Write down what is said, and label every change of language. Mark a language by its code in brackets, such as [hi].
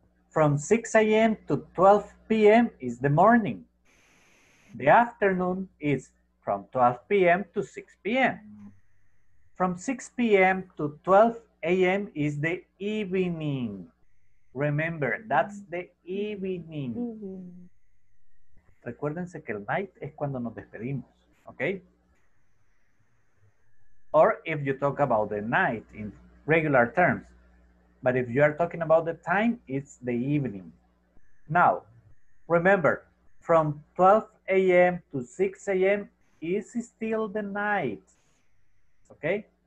[en] From 6 a.m. to 12 p.m. is the morning. The afternoon is from 12 p.m. to 6 p.m. From 6 p.m. to 12 a.m. is the evening. Remember, that's the evening. Mm-hmm. [es] Recuérdense que el night es cuando nos despedimos, okay? [en] Or if you talk about the night in regular terms. But if you are talking about the time, it's the evening. Now, remember, from 12 a.m. to 6 a.m. is still the night, okay?